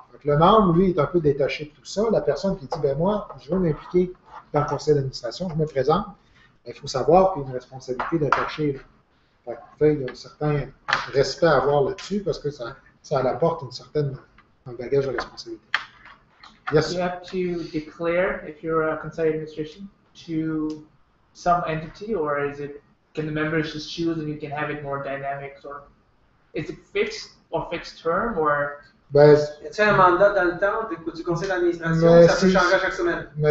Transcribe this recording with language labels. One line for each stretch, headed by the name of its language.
French: Donc, le membre, lui, est un peu détaché de tout ça. La personne qui dit, ben moi, je veux m'impliquer dans le conseil d'administration, je me présente, ben, il faut savoir qu'il y a une responsabilité d'attaché. Il y a un certain respect à avoir là-dessus parce que ça apporte une certaine un bagage de responsabilité.
English: Yes. You have to declare if you're a conseil administration to some entity, or is it can the members just choose and you can have it more dynamic, or is it fixed or fixed term, or
French: ben, tu as un mandat dans le temps du conseil d'administration, ça peut changer chaque semaine,